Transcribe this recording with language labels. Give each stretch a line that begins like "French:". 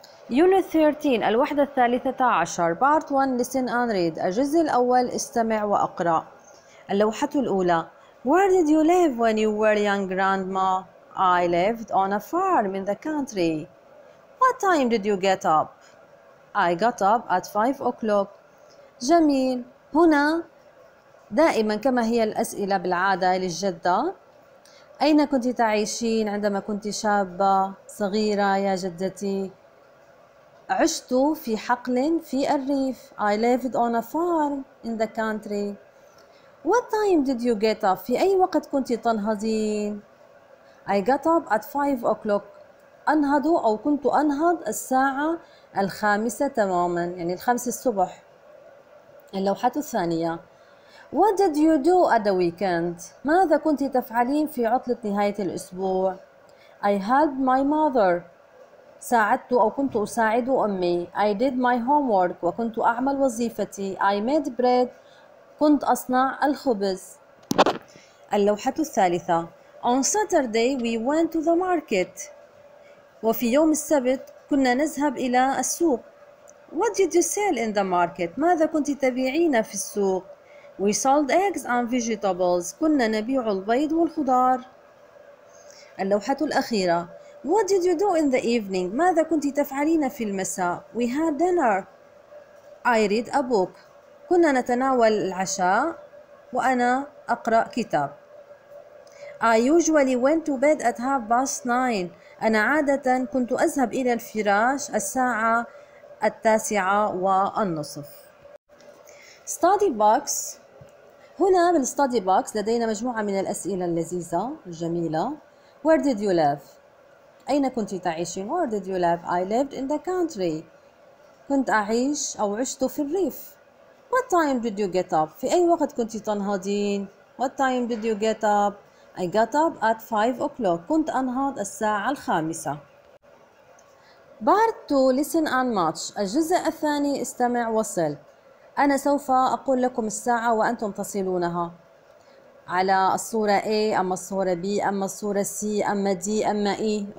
Arabic: يونت 13 الوحدة الثالثة عشر بارت 1
English: listen and read
Arabic: الجزء الأول استمع وأقرأ. اللوحة الأولى.
English: Where did you live when you were young grandma? I lived on a farm in the country. What time did you get up? I got up at 5 o'clock.
Arabic: جميل. هنا دائما كما هي الأسئلة بالعادة للجدة. أين كنت تعيشين عندما كنت شابة صغيرة يا جدتي؟ عشت في حقل في الريف.
English: I lived on a farm in the country. What time did you get up?
Arabic: في أي وقت كنت تنهضين؟
English: I got up at 5 o'clock.
Arabic: أنهض أو كنت أنهض الساعة الخامسة تماما، يعني الخامسة الصبح. اللوحة الثانية.
English: What did you do at the weekend?
Arabic: ماذا كنت تفعلين في عطلة نهاية الأسبوع؟
English: I helped my mother.
Arabic: ساعدت أو كنت أساعد أمي.
English: I did my homework.
Arabic: وكنت أعمل وظيفتي.
English: I made bread.
Arabic: كنت أصنع الخبز. اللوحة الثالثة.
English: On Saturday we went to the market.
Arabic: وفي يوم السبت كنا نذهب إلى السوق.
English: What did you sell in the market?
Arabic: ماذا كنت تبيعين في السوق؟
English: We sold eggs and vegetables.
Arabic: كنا نبيع البيض والخضار. اللوحة الأخيرة.
English: What did you do in the evening?
Arabic: ماذا كنت تفعلين في المساء?
English: We had dinner. I read a book.
Arabic: كنا نتناول العشاء وأنا أقرأ كتاب.
English: I usually went to bed at 9:30.
Arabic: أنا عادة كنت أذهب إلى الفراش الساعة 9:30.
English: Study box.
Arabic: هنا بالstudy box لدينا مجموعة من الأسئلة اللذيذة الجميلة.
English: Where did you live?
Arabic: أين كنت تعيشين؟
English: Where did you live? I lived in the country.
Arabic: كنت أعيش أو عشت في الريف.
English: What time did you get up?
Arabic: في أي وقت كنت تنهضين؟
English: What time did you get up? I got up at 5 o'clock.
Arabic: كنت أنهض الساعة الخامسة.
English: Part 2 listen and match.
Arabic: الجزء الثاني استمع وصل. أنا سوف أقول لكم الساعة وأنتم تصلونها. على الصورة A أما الصورة B أما الصورة C أما D أما E.